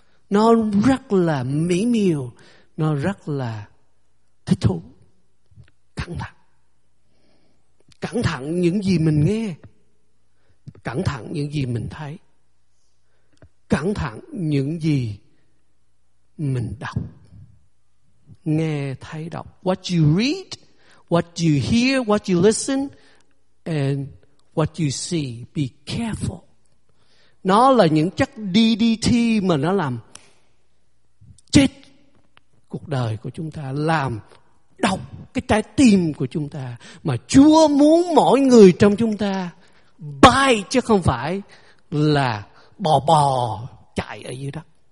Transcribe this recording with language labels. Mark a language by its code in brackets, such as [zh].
[vi] Nó rất là mỹ miều. Nó rất là thích thú. Cẩn thận. Cẩn thận những gì mình nghe. Cẩn thận những gì mình thấy. Cẩn thận những gì mình đọc. Nghe, thấy, đọc. [en] What you read, what you hear, what you listen, and what you see. Be careful. [vi] Nó là những chất DDT mà nó làm chết cuộc đời của chúng ta, làm độc cái trái tim của chúng ta. Mà Chúa muốn mỗi người trong chúng ta bay chứ không phải là bò bò chạy ở dưới đất.